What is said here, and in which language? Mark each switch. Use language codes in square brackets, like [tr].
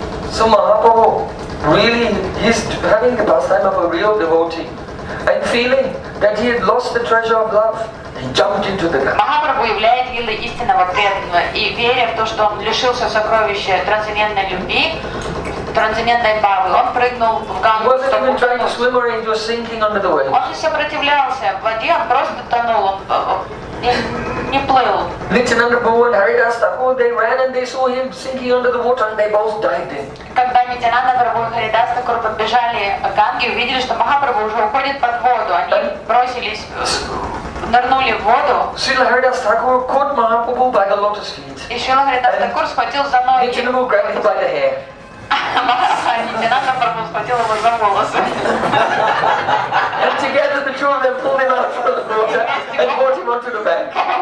[en] So Mahaprabhu really, he's having the pastime of a real devotee and feeling that he had lost the treasure of love. [ru] Махапрабху является лилой истинного преданного, и веря в то, что он лишился сокровища трансцендентной любви, трансцендентной бхавы, он прыгнул в Гангу. Он не сопротивлялся в воде, он просто тонул, он не плыл. [en] Nityananda Prabhu and Haridas Thakur, they ran and they saw him sinking under the water and they both dived in. [ru] Когда Nityananda Prabhu и Haridas Thakur подбежали к Ганге, увидели, что Махапрабху уже уходит под воду, они бросились. Нырнули в воду. [en] Srila Haridas Thakur caught Mahaprabhu by the lotus feet. [ru] И Srila Haridas Thakur схватил за ноги. [en] Nityananda Prabhu grabbed him by the hair. [ru] Ананда Прабху схватил его за волосы. [en] And together the two of them pulled him out from the water and brought him onto the bank.